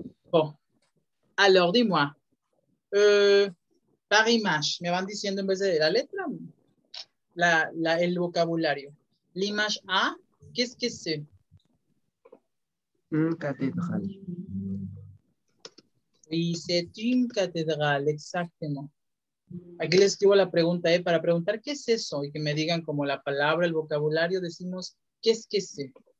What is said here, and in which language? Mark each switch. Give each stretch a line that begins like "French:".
French: Bon. Alors, dis-moi. Par image,
Spanish: me van diciendo en vez de la letra, el vocabulario.
French: L'image A, qu'est-ce que c'est? Une cathédrale. Oui, c'est une cathédrale, exactement.
Spanish: Aquí les escribo la pregunta, para preguntar qué es eso y que me digan como la palabra, el vocabulario, decimos qué es que sé.